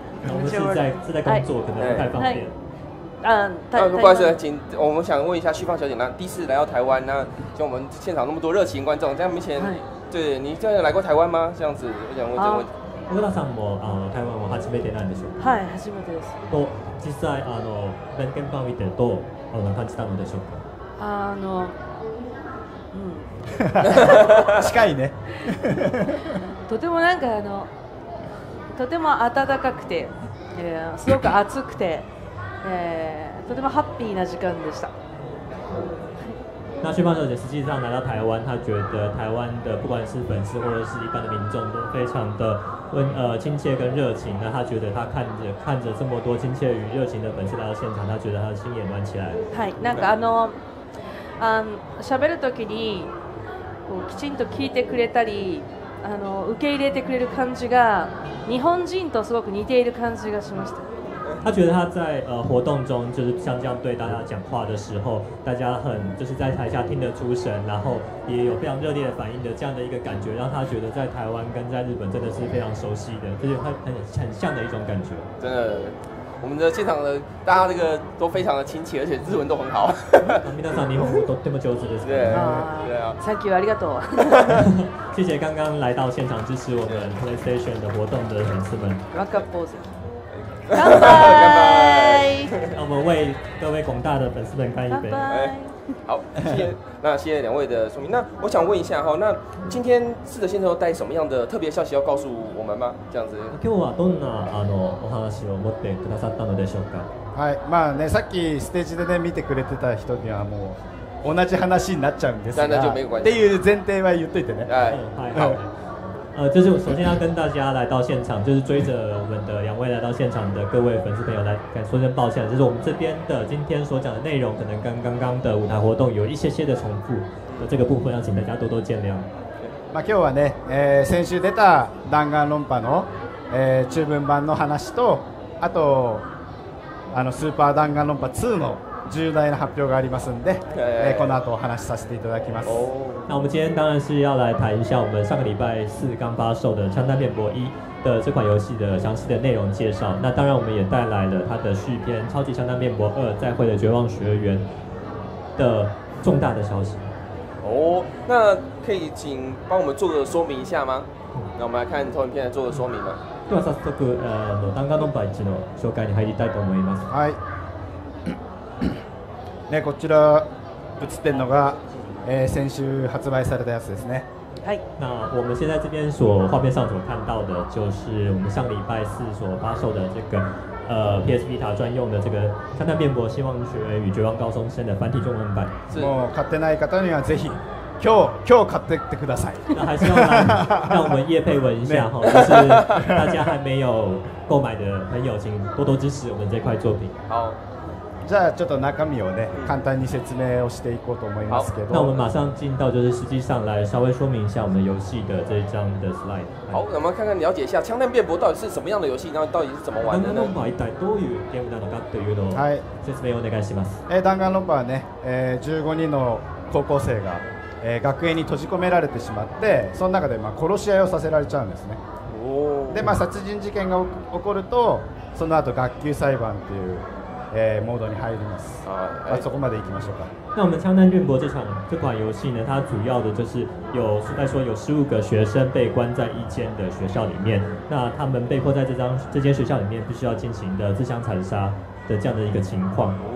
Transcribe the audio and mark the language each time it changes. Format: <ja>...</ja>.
<zh>我们是在工作，可能不太方便。不好意思，请我们想问一下旭芳小姐，那第一次来到台湾，那像我们现场那么多热情观众，这样明显，对你这样来过台湾吗？这样子，我想问这个问题。</zh> <ja>小田さんも台湾は初めてなんでしょうか？はい、初めてです。と実際現場を見てどう感じたのでしょうか？近いね。とてもなんかとても暖かくて、すごく暑くて、とてもハッピーな時間でした。</ja> <zh>那旭芳小姐实际上来到台湾，她觉得台湾的不管是粉丝或者是一般的民众都非常的亲切跟热情。那她觉得她看着这么多亲切与热情的粉丝来到现场，她觉得她的心也暖起来了。</zh> <ja>はい、なんかしゃべるときにこうきちんと聞いてくれたり受け入れてくれる感じが日本人とすごく似ている感じがしました。</ja> <zh>他觉得他在活动中就是像这样对大家讲话的时候，大家很就是在台下听得出神，然后也有非常热烈的反应的这样的一个感觉，让他觉得在台湾跟在日本真的是非常熟悉的，就是很像的一种感觉。真的，我们的现场的大家这个都非常的亲切，而且日文都很好。</zh> <ja>皆さん日本語とても上手です。</ja> <zh>对啊，</zh> <en>Thank you,</en> <ja>ありがとう。</ja> <zh>谢谢刚刚来到现场支持我们 PlayStation 的活动的粉丝们。</zh> <en>Rock up, boys。</en> <zh>干杯！那我们为各位广大的粉丝们干一杯。干杯！好，谢谢两位的说明。那我想问一下哈，那今天四德先生带什么样的特别消息要告诉我们吗？这样子。</zh> <ja>今日はどんなお話を持ってくださったのでしょうか。はい、まあね、さっきステージでね見てくれてた人にはもう同じ話になっちゃうんですが。</ja> <zh>那就没关系。</zh> <ja>っていう前提は言っといてね。はい。</ja> <zh>就是首先要跟大家来到现场，就是追着我们的两位来到现场的各位粉丝朋友来说声抱歉，就是我们这边的今天所讲的内容可能跟刚刚的舞台活动有一些些的重复，那这个部分要请大家多多见谅。</zh> <ja>まあ今日はね、先週出た弾丸論破の、中文版の話と、あとスーパー弾丸論破2の重大な発表がありますんで、この後お話しさせていただきます。</ja> <zh>那我们今天当然是要来谈一下我们上个礼拜四刚发售的《枪弹辩驳一》的这款游戏的详细的内容介绍。那当然，我们也带来了它的续篇《超级枪弹辩驳二：再会的绝望学员》的重大的消息。哦，那可以请帮我们做个说明一下吗？那我们来看投影片来做个说明吧。</zh> <ja>では早速、弾丸論破1の紹介に入りたいと思います。はい。ね、こちら映ってるのが。先週発売されたやつですね。はい。</ja> <zh>那我们现在这边所画面上所看到的，就是我们上礼拜四所发售的这个PS Vita 专用的这个《枪弹辩驳：希望学与绝望高中生》的繁体中文版。是。</zh> <ja>もう買ってない方にはぜひ今日買ってってください。</ja> <zh>那还是要来让我们业配文一下哈，就是大家还没有购买的朋友，请多多支持我们这块作品。好。</zh> <ja>じゃあちょっと中身をね簡単に説明をしていこうと思いますけど。</ja> <zh>好，那我们马上进到就是实际上来稍微说明一下我们游戏的这一张的 slide。好，我们看看了解一下枪弹辩驳到底是什么样的游戏，然后到底是怎么玩的呢？</zh> <ja>弾丸論破は一体どういうゲームなのかというのを説明をお願いします。はい。弾丸論破はね、15人の高校生が、学園に閉じ込められてしまって、その中でまあ殺し合いをさせられちゃうんですね。おお。でまあ殺人事件が起こると、その後学級裁判っていう。モードに入ります。あ、そこまで行きましょうか。</ja> <zh>那我们枪弹辩驳这款游戏呢，它主要的就是有是在说有15个学生被关在一间的学校里面，那他们被迫在这间学校里面必须要进行的自相残杀的这样的一个情况。</zh>